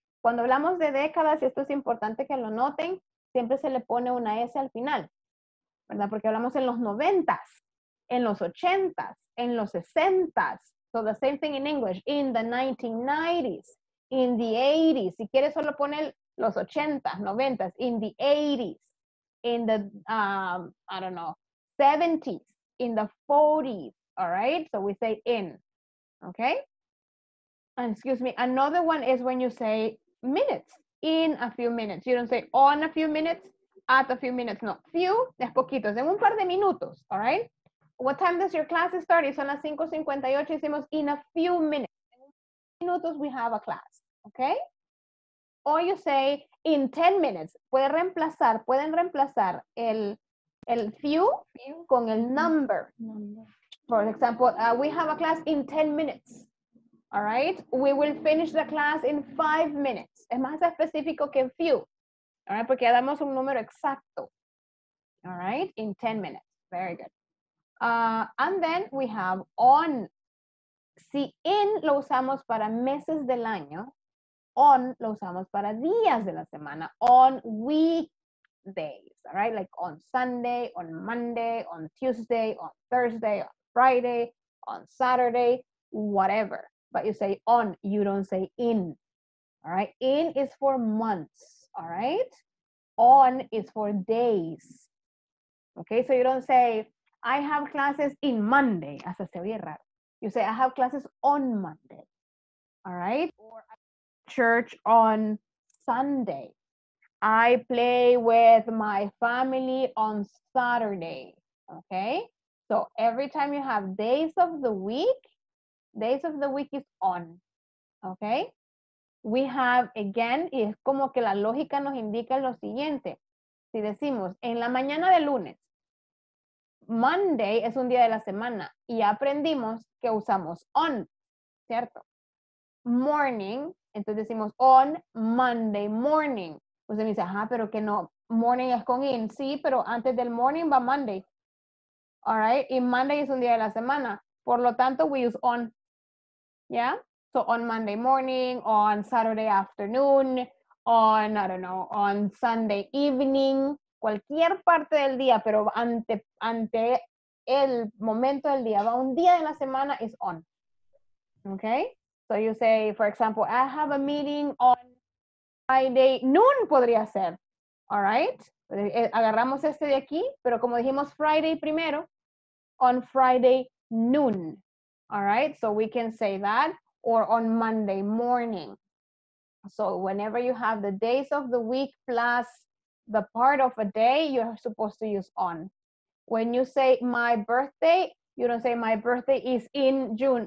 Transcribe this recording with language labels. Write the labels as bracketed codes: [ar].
[es] Cuando hablamos de décadas, y esto es importante que lo noten, siempre se le pone una S al final, ¿verdad? Porque hablamos en los 90s, en los 80s, en los 60s. [en] So the same thing in English, in the 1990s, in the 80s. [es] Si quieres solo poner los 80s, 90s, [en] in the 80s, in the, I don't know, 70s, in the 40s, all right? So we say in, okay? Excuse me, another one is when you say minutes, in a few minutes. You don't say on a few minutes, at a few minutes. No, few, [es] es poquitos, en un par de minutos, [en] all right? What time does your class start? [es] Son las 5:58, decimos in a few minutes. En minutos [en] we have a class, okay? Or you say in 10 minutes. [es] Pueden reemplazar el few con el number. [en] For example, we have a class in 10 minutes. All right, we will finish the class in 5 minutes. [es] Es más específico que few. [en] All right, [es] porque ya damos un número exacto. [en] All right, in 10 minutes. Very good. And then we have on. [es] Si in lo usamos para meses del año, on lo usamos para días de la semana, [en] on weekdays. All right, like on Sunday, on Monday, on Tuesday, on Thursday, on Friday, on Saturday, whatever. But you say on, you don't say in, all right? In is for months, all right? On is for days, okay? So you don't say, I have classes in Monday. [es] Hasta se oye raro. [en] You say, I have classes on Monday, All right. Or church on Sunday. I play with my family on Saturday. Okay. So every time you have days of the week is on. Okay. We have, again, [es] y es como que la lógica nos indica lo siguiente. Si decimos, en la mañana de lunes, Monday es un día de la semana, y aprendimos que usamos on, ¿cierto? Morning, entonces decimos on Monday morning. Usted me dice, ajá, pero que no, morning es con in. Sí, pero antes del morning va Monday. [en] All right, [es] y Monday es un día de la semana. Por lo tanto, [en] we use on, [es] ¿ya? [en] So on Monday morning, on Saturday afternoon, on, I don't know, on Sunday evening, [es] cualquier parte del día, pero ante el momento del día, un día de la semana [en] is on. Okay? So you say, for example, I have a meeting on Friday noon, [es] podría ser. [en] All right? [es] Agarramos este de aquí, pero como dijimos Friday primero, on Friday noon. [en] All right? So we can say that. Or on Monday morning. So whenever you have the days of the week plus the part of a day, you're supposed to use on. When you say my birthday, you don't say my birthday is in June.